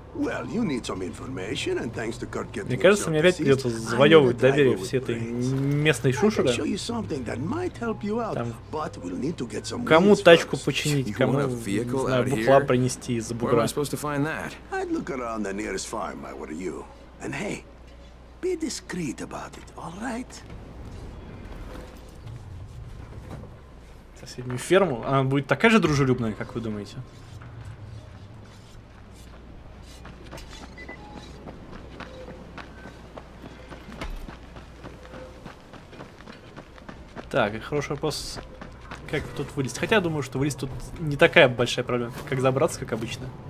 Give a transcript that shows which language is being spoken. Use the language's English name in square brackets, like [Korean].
[English] Well, you need some information, and thanks to Kurt getting himself deceased, [Russian] мне кажется, мне опять придется завоевывать доверие всей этой местной шушеры. Там, кому тачку починить, кому, не знаю, бухла принести из-за бугра. [English] I'd look around the nearest farm, I would you. And hey, be discreet about it, all right? [Russian] Соседнюю ферму, она будет такая же дружелюбная, как вы думаете? Так, хороший вопрос, как тут вылезть. Хотя я думаю, что вылезть тут не такая большая проблема, как забраться, как обычно.